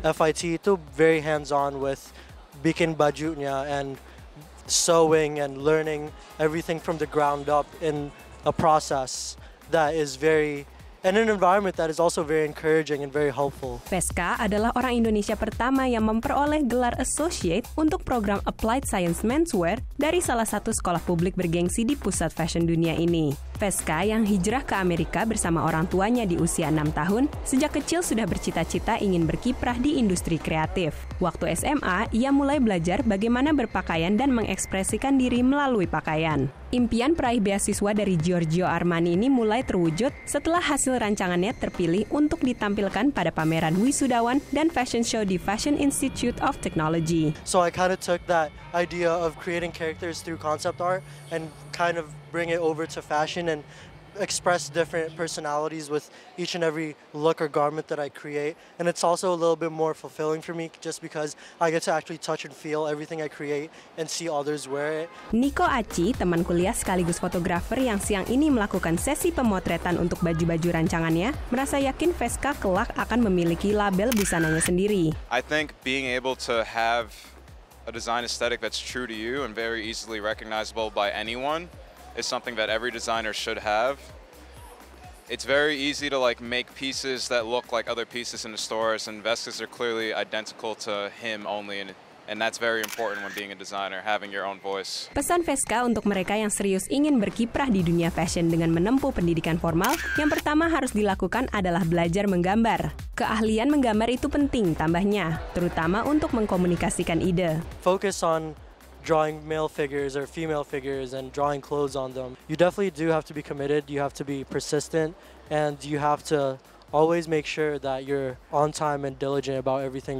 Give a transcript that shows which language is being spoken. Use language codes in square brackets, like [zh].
[en] FIT itu very hands-on with [id] bikin bajunya [en] and sewing and learning everything from the ground up in a process that is very, and an environment that is also very encouraging and very helpful. [id] Veska adalah orang Indonesia pertama yang memperoleh gelar associate untuk program Applied Science Menswear dari salah satu sekolah publik bergengsi di pusat fashion dunia ini. Veska yang hijrah ke Amerika bersama orang tuanya di usia 6 tahun, sejak kecil sudah bercita-cita ingin berkiprah di industri kreatif. Waktu SMA, ia mulai belajar bagaimana berpakaian dan mengekspresikan diri melalui pakaian. Impian peraih beasiswa dari Giorgio Armani ini mulai terwujud setelah hasil rancangannya terpilih untuk ditampilkan pada pameran wisudawan dan fashion show di Fashion Institute of Technology. [en] So I kind of took that idea of creating characters through concept art and kind of bring it over to fashion and express different personalities with each and every look or garment that I create. And it's also a little bit more fulfilling for me just because I get to actually touch and feel everything I create and see others wear it. [id] Nico Aci, teman kuliah sekaligus fotografer yang siang ini melakukan sesi pemotretan untuk baju-baju rancangannya, merasa yakin Veska kelak akan memiliki label busananya sendiri. [en] I think being able to have a design aesthetic that's true to you and very easily recognizable by anyone is something that every designer should have. It's very easy to like make pieces that look like other pieces in the stores, and Veska's are clearly identical to him only, and that's very important when being a designer, having your own voice. [id] Pesan Veska untuk mereka yang serius ingin berkiprah di dunia fashion dengan menempuh pendidikan formal, yang pertama harus dilakukan adalah belajar menggambar. Keahlian menggambar itu penting, tambahnya, terutama untuk mengkomunikasikan ide. [en] Focus on drawing male figures or female figures and drawing clothes on them. You definitely do have to be committed, you have to be persistent, and you have to always make sure that you're on time and diligent about everything.